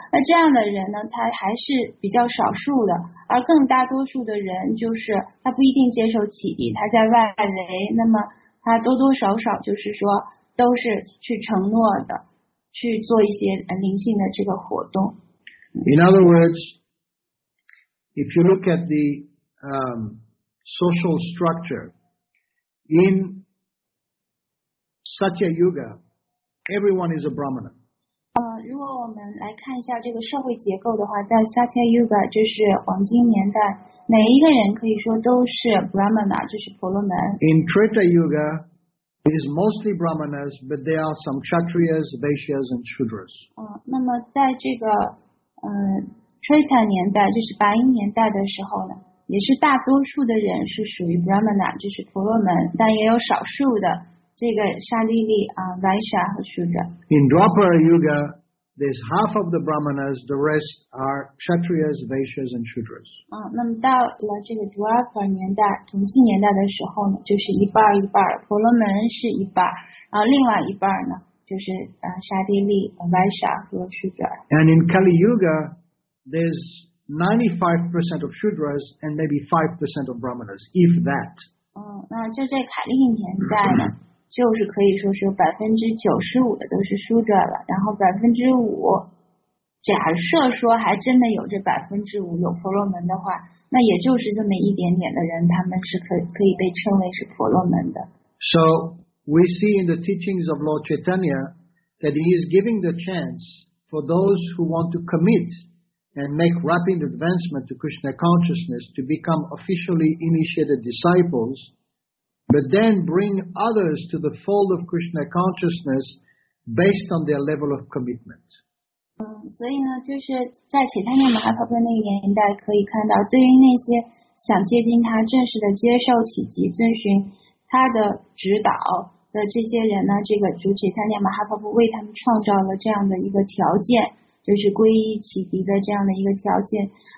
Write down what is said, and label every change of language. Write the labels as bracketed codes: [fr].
[zh] 那这样的人呢，他还是比较少数的，而更大多数的人就是他不一定接受启迪，他在外围，那么他多多少少就是说都是去承诺的，去做一些灵性的这个活动。 [en] In other words, if you look at the social structure in Satya Yuga, everyone is a Brahmana. [zh] 如果我们来看一下这个社会结构的话，在 Satya Yuga 就是黄金年代，每一个人可以说都是 Brahmana， 就是婆罗门。 [en] In Treta Yuga, it is mostly Brahmanas, but there are some Kshatriyas, Vaishyas, and Shudras. [zh] 那么在这个Treta 年代，就是白银年代的时候呢，也是大多数的人是属于 Brahmana， 就是婆罗门，但也有少数的这个沙利利啊、Vaishya 和 Shudra。 [en] In Dwapara Yuga, there's half of the Brahmanas, the rest are Kshatriyas, Vaishyas, and Shudras. [zh] 那么到了这个 Dwapara 年代，同济年代的时候呢，就是一半一半，婆罗门是一半，然后另外一半呢。就是沙地利、Vaishya 和 Shudra。 [en] And in Kali Yuga, there's 95% of Shudras and maybe 5% of Brahmanas, if that. [zh] 那就在卡利年代呢，就是可以说是95%的都是 Shudra 了，然后5%，假设说还真的有这5%有婆罗门的话，那也就是这么一点点的人，他们是可以被称为是婆罗门的。 [en] So. We see in the teachings of Lord Chaitanya that he is giving the chance for those who want to commit and make rapid advancement to Krishna consciousness to become officially initiated disciples, but then bring others to the fold of Krishna consciousness based on their level of commitment. [zh] 所以呢，就是在 Chaitanya Mahaprabhu 那个年代可以看到，对于那些想接近他、正式的接受启迪、遵循他的指导的这些人呢，这个主持参加马哈帕布为他们创造了这样的一个条件，就是皈依启迪的这样的一个条件。